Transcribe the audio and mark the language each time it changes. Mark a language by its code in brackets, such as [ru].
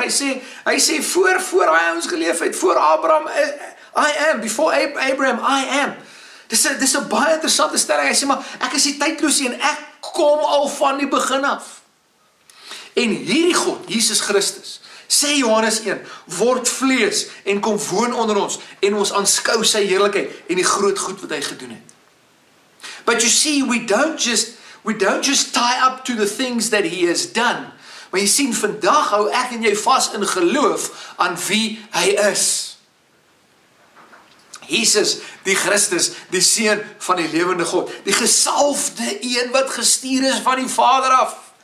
[af] Hy sê voor hy ons geleef het, voor Abraham, [en] I am, before Abraham, I am. [af] Dis 'n baie interessante stelling. Hy sê maar ek is die tydlose en ek kom al van die begin af. En hierdie God, Jesus Christus, sê Johannes 1, word vlees en kom woon onder ons en ons aanskou sy heerlikheid en die groot goed wat hy gedoen het. [en] But you see, we don't just tie up to the things that he has done. [af] Maar jy sien, vandag hou ek en jy vas in geloof aan wie hy is. Jesus, die Christus, die seun van die lewende God, die gesalfde een wat gestuur is van die Vader af.